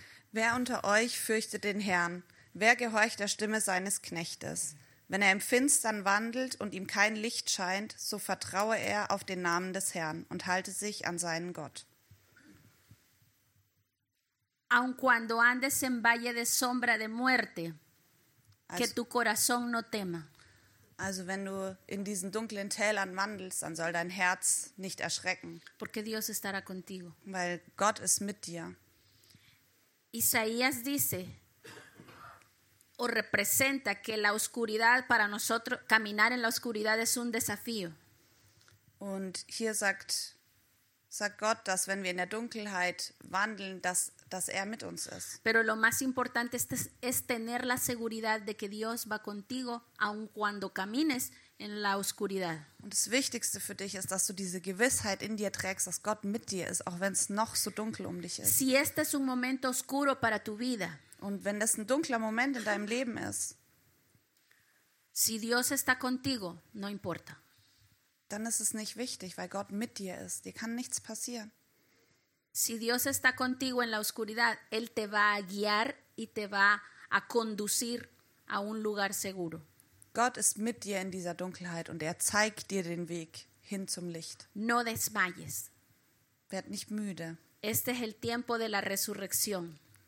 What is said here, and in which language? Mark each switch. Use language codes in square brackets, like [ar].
[de] Wer unter euch fürchtet den Herrn? Wer gehorcht der Stimme seines Knechtes? Wenn er im Finstern wandelt und ihm kein Licht scheint, so vertraue er auf den Namen des Herrn und halte sich an seinen Gott. [es] Aun cuando andes en valle de sombra de muerte, que tu corazón no tema. [de] Also wenn du in diesen dunklen Tälern wandelst, dann soll dein Herz nicht erschrecken. [es] Porque Dios estará contigo. [de] Weil Gott ist mit dir. [es] Isaías dice, o representa que la oscuridad para nosotros, caminar en la oscuridad es un desafío. [de] Und hier sagt Gott, dass wenn wir in der Dunkelheit wandeln, dass er mit uns ist. [es] Pero lo más importante es tener la seguridad de que Dios va contigo, aun cuando camines en la oscuridad. [de] Und das Wichtigste für dich ist, dass du diese Gewissheit in dir trägst, dass Gott mit dir ist, auch wenn es noch so dunkel um dich ist. [es] Si este es un momento oscuro para tu vida, [de] und wenn das ein dunkler Moment in deinem Leben ist, [es] si Dios está contigo, no importa. [de] Dann ist es nicht wichtig, weil Gott mit dir ist. Dir kann nichts passieren. [es] Si Dios está contigo en la oscuridad, Él te va a guiar y te va a conducir a un lugar seguro. [de] Gott ist mit dir in dieser Dunkelheit und er zeigt dir den Weg hin zum Licht. [es] No desmayes. [de] Werd nicht müde. [es] Este es el tiempo de la resurrección.